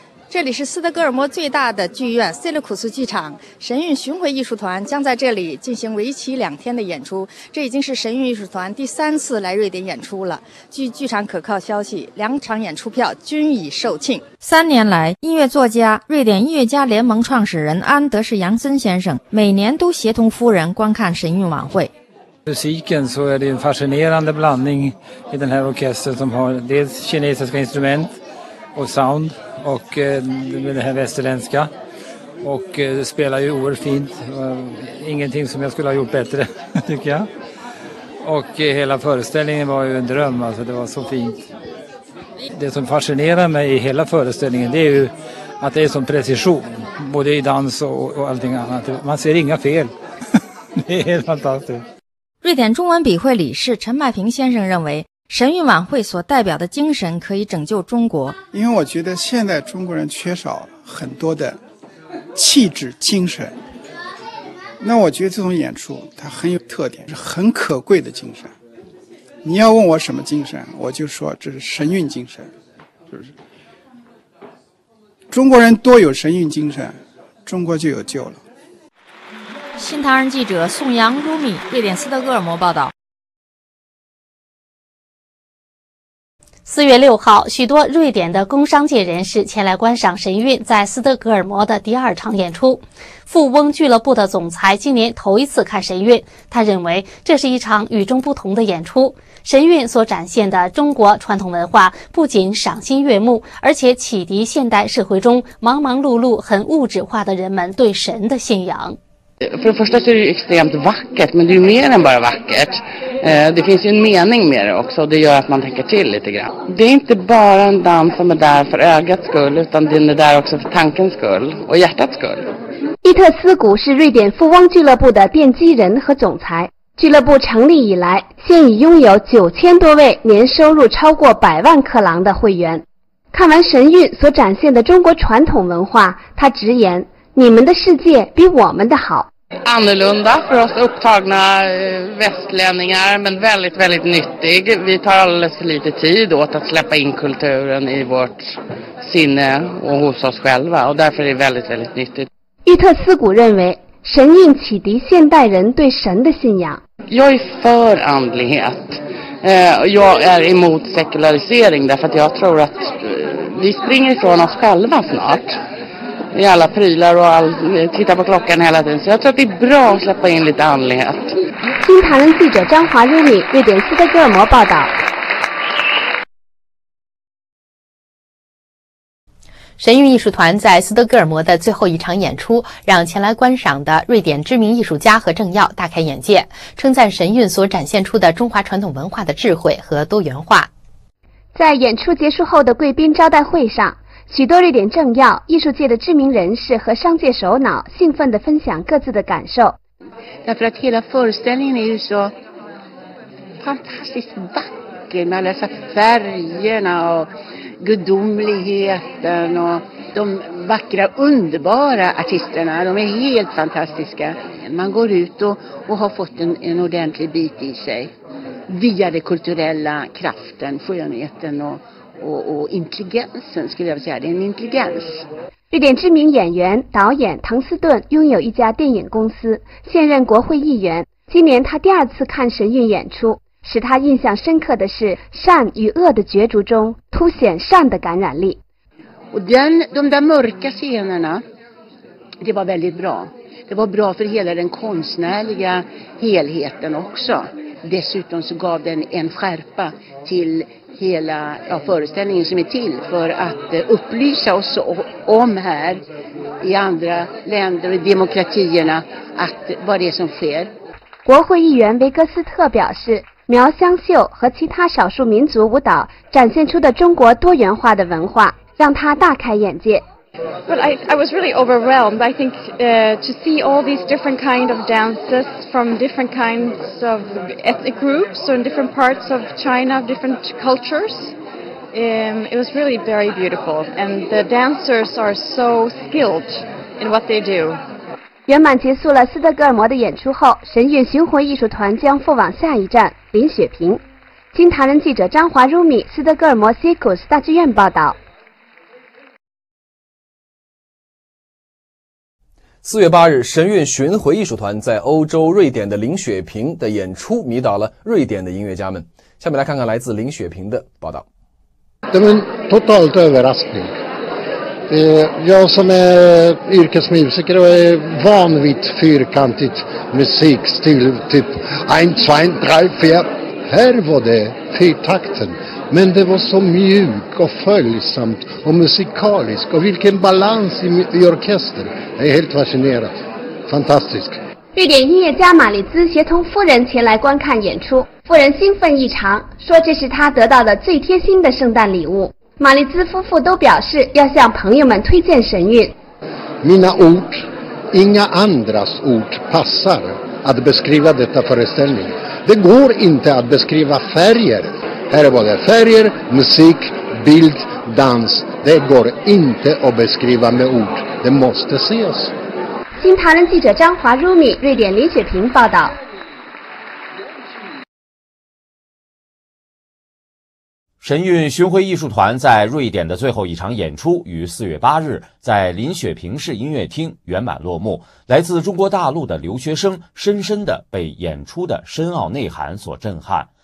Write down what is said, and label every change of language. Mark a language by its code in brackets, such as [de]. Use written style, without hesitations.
[zh] 这里是斯德哥尔摩最大的剧院塞勒库斯剧场，神韵巡回艺术团将在这里进行为期两天的演出，这已经是神韵艺术团第三次来瑞典演出了。据剧场可靠消息，两场演出票均已售罄。三年来，音乐作家、瑞典音乐家联盟创始人安德士杨森先生每年都协同夫人观看神韵晚会。 [sv] Musiken så är det en fascinerande blandning i den här orkestern som har dels kinesiska instrument och sound. Och det här västerländska och spelar ju oerhört fint, ingenting som jag skulle ha gjort bättre tycker jag, och hela föreställningen var ju en dröm, alltså det var så fint. Det som fascinerar mig i hela föreställningen, det är ju att det är sån precision både i dans och allting annat, man ser inga fel. Det är helt fantastiskt. [zh] 瑞典中文笔会理事陈麦平先生认为神韵晚会所代表的精神可以拯救中国，因为我觉得现在中国人缺少很多的气质精神，那我觉得这种演出它很有特点，是很可贵的精神。你要问我什么精神，我就说这是神韵精神，是不是？中国人多有神韵精神，中国就有救了。新唐人记者宋阳 Rumi 瑞典斯德哥尔摩报道。 4月6号，许多瑞典的工商界人士前来观赏神韵在斯德哥尔摩的第二场演出。富翁俱乐部的总裁今年头一次看神韵，他认为这是一场与众不同的演出。神韵所展现的中国传统文化不仅赏心悦目，而且启迪现代社会中忙忙碌碌很物质化的人们对神的信仰。 [sv] För det första så är det ju extremt vackert, men det är ju mer än bara vackert. Det finns ju en mening med det också, och det gör att man tänker till lite grann. Det är inte bara en dans som är där för ögats skull, utan den är där också för tankens skull och hjärtats skull. [zh] 伊特斯古是瑞典富翁俱乐部的奠基人和总裁。俱乐部成立以来，现已拥有9000多位年收入超过100万克朗的会员。看完神韵所展现的中国传统文化，他直言。你们的世界比我们的好。 [sv] Annorlunda för oss upptagna västlänningar, men väldigt, väldigt nyttig. Vi tar alldeles för lite tid åt att släppa in kulturen i vårt sinne och hos oss själva, och därför är det väldigt, väldigt nyttigt. [zh] 伊特斯古认为，神韵启迪现代人对神的信仰。 [sv] Jag är för andlighet. Jag är emot sekularisering, därför att jag tror att vi springer ifrån oss själva snart. I alla prylar och titta på klockan hela tiden. Så jag tror att det är bra att släppa in lite andlighet. [zh] 新唐人记者张华入米瑞典斯德哥尔摩报道。神韵艺术团在斯德哥尔摩的最后一场演出，让前来观赏的瑞典知名艺术家和政要大开眼界，称赞神韵所展现出的中华传统文化的智慧和多元化。在演出结束后的贵宾招待会上，许多瑞典政要、艺术界的知名人士和商界首脑兴奋地分享各自的感受。 [sv] Därför att hela föreställningen är ju så fantastiskt vacker med alla färgerna och gudomligheten och de vackra underbara artisterna. De är helt fantastiska. Man går ut och har fått en ordentlig bit i sig via den kulturella kraften, skönheten [zh] 我 intelligence 给大家点 intelligence。瑞典知名演员、导演滕斯顿拥有一家电影公司，现任国会议员。今年他第二次看神韵演出，使他印象深刻的是善与恶的角逐中凸显善的感染力。 [sv] Och den, de där mörka scenerna, det var väldigt bra. Det var bra för hela den konstnärliga helheten också. Dessutom så gav den en skärpa till hela ja, föreställningen som är till för att upplysa oss om här i andra länder och demokratierna att vad det är som sker. [zh] 国会议员维格斯特表示，苗湘秀和其他少数民族舞蹈展现出的中国多元化的文化让他大开眼界。 [en] But I was really overwhelmed. I think to see all these different kind of dances from different kinds of ethnic groups or in different parts of China, different cultures, it was really very beautiful. And the dancers are so skilled in what they do. [zh] 圆满结束了斯德哥尔摩的演出后，神韵巡回艺术团将赴往下一站林雪平。经台湾记者张华、Rumi 斯德哥尔摩 CIRCUS 大剧院报道。四月八日，神韵巡回艺术团在欧洲瑞典的林雪平的演出迷倒了瑞典的音乐家们。下面来看看来自林雪平的报道。 [sv] De är totalt överraskning. Jag som är yrkesmusiker och är van vid fyrkantigt musikstil typ 1, 2, 3, 4. Här var det fyrtakten, men det var så mjuk och följsamt och musikalisk och vilken balans i orkestern. Jag är helt fascinerad. Fantastisk. [zh] 瑞典音乐家玛丽兹协同夫人前来观看演出，夫人兴奋异常，说这是她得到的最贴心的圣诞礼物。玛丽兹夫妇都表示要向朋友们推荐神韵。 [sv] Mina ord, inga andras ord passar att beskriva detta föreställning. Det går inte att beskriva färger. Här är både färger, musik, bild, dans. Det går inte att beskriva med ord. Det måste ses. [zh] 新唐人记者张华、Rumi 瑞典林雪平报道。神韵巡回艺术团在瑞典的最后一场演出于4月8日在林雪平市音乐厅圆满落幕，来自中国大陆的留学生深深地被演出的深奥内涵所震撼。